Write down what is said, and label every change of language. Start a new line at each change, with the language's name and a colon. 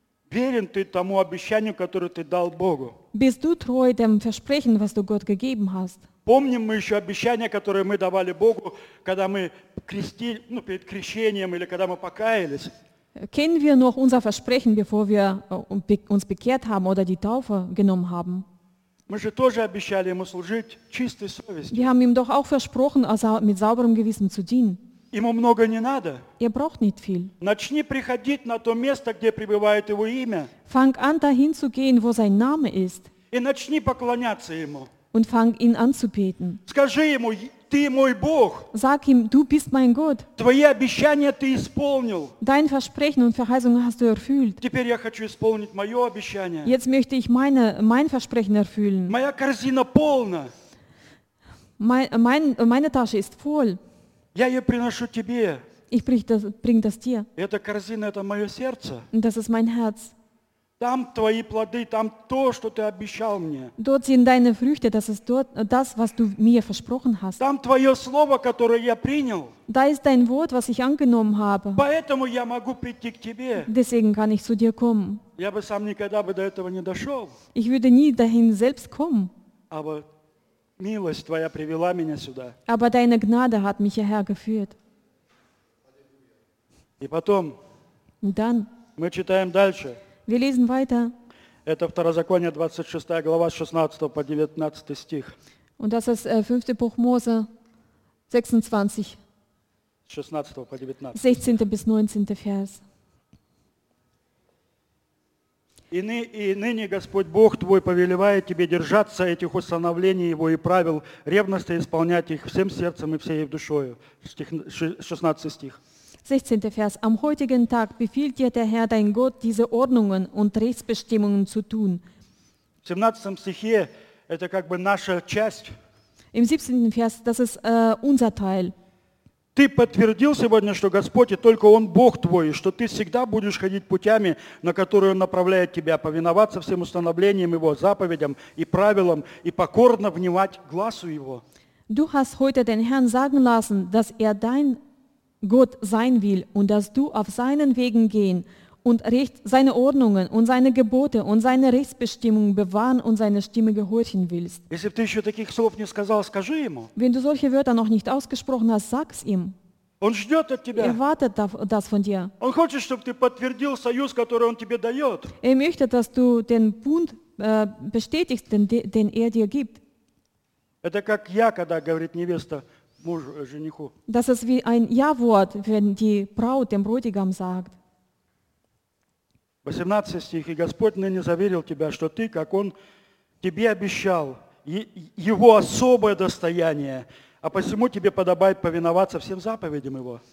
Russian: Верен ты тому обещанию, которое ты дал Богу?
German: Bist du treu dem Versprechen, was du Gott gegeben hast?
Russian: Помним мы еще обещание, которое мы давали Богу, когда мы крестили, ну, перед крещением или когда мы покаялись?
German: Kennen wir noch unser Versprechen, bevor wir uns bekehrt haben oder die Taufe genommen haben?
Russian: Мы же тоже обещали ему служить чистой совестью.
German: Wir haben ihm doch auch versprochen, also mit sauberem Gewissen zu dienen.
Russian: Ему много не надо.
German: Er braucht nicht viel.
Russian: Начни приходить на то место, где пребывает его имя.
German: Fang an, dahin zu gehen, wo sein Name ist.
Russian: И начни поклоняться ему.
German: Und fang ihn an zu beten.
Russian: Скажи ему, ты мой Бог.
German: Sag ihm, du bist mein Gott.
Russian: Твои обещания ты исполнил.
German: Dein Versprechen und Verheißung hast du erfüllt.
Russian: Теперь я хочу исполнить мое обещание.
German: Jetzt möchte ich mein Versprechen erfüllen.
Russian: Моя корзина полна.
German: Meine Tasche ist voll.
Russian: Я ее приношу тебе.
German: Ich bring das dir.
Russian: Эта корзина, это мое сердце.
German: Das ist mein Herz.
Russian: Там твои плоды, там то, что ты обещал мне.
German: Dort sind deine Früchte, das ist dort das, was du mir versprochen hast.
Russian: Там твое слово, которое я принял.
German: Da ist dein Wort, was ich angenommen habe.
Russian: Поэтому я могу прийти к тебе.
German: Deswegen kann ich zu dir kommen.
Russian: Я бы сам никогда бы до этого не дошел.
German: Ich würde nie dahin selbst kommen.
Russian: Aber Милость твоя привела меня сюда.
German: Aber deine Gnade hat mich hierher geführt.
Russian: И потом.
German: Dann.
Russian: Мы читаем дальше.
German: Wir lesen weiter.
Russian: Это Второзаконие 26 глава 16 по 19 стих.
German: Und das ist 5. Buch Mose 26.
Russian: 16 по 19.
German: 16 bis 19 Vers.
Russian: И ныне Господь Бог твой повелевает тебе держаться этих установлений Его и правил, ревностно исполнять их всем сердцем и всей душою. 16 стих.
German: 16. Vers. Am heutigen Tag befiehlt dir der Herr dein Gott diese Ordnungen und Rechtsbestimmungen zu tun.
Russian: В 17 стихе это как бы наша часть.
German: Im 17. Vers, das ist unser Teil.
Russian: Ты подтвердил сегодня, что Господь и только Он Бог твой, что ты всегда будешь ходить путями, на которые Он направляет тебя, повиноваться всем установлениям Его, заповедям и правилам и покорно внимать глазу Его.
German: Du hast heute den Herrn sagen lassen, dass er dein Gott sein will und dass du auf seinen Wegen gehen und recht seine Ordnungen und seine Gebote und seine Rechtsbestimmungen bewahren und seine Stimme gehorchen willst.
Russian: Если ты еще таких слов не сказал, скажи ему.
German: Wenn du solche Wörter noch nicht ausgesprochen hast, sag es ihm.
Russian: Он ждет от тебя.
German: Er wartet das von dir.
Russian: Он хочет, чтобы ты подтвердил союз, который он тебе дает.
German: Er möchte, dass du den Bund bestätigst, den er dir gibt.
Russian: Это как я, когда говорит невеста мужу, жениху.
German: Das ist wie ein Ja-Wort, wenn die Braut dem Bräutigam sagt.
Russian: 18 стих, и Господь ныне заверил тебя, что ты, как Он тебе обещал, Его особое достояние, а посему тебе подобает повиноваться всем заповедям Его.